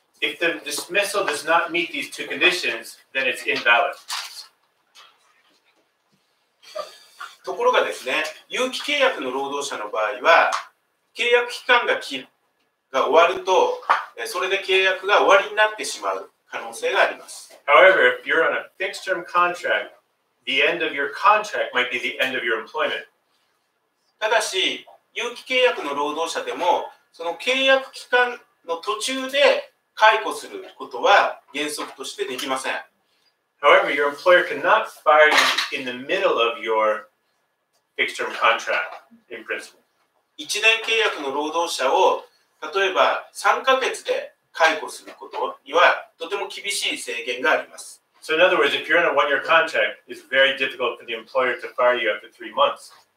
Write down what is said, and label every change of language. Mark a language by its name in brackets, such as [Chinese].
[English] If the dismissal does not meet these two conditions, then it's invalid. [Japanese] ところがですね、有期契約の労働者の場合は、契約期間が終わると、それで契約が終わりになってしまう可能性があります。 [English] However, if you're on a fixed term contract, the end of your contract might be the end of your employment. [Japanese] ただし、有期契約の労働者でも、その契約期間の途中で解雇することは原則としてできません。 [English] However, your employer cannot fire you in the middle of your fixed term contract, in principle. [Japanese] 1年契約の労働者を、例えば3ヶ月で解雇することには、とても厳しい制限があります。 [English] So in other words, if you're on a one-year contract, it's very difficult for the employer to fire you after 3 months.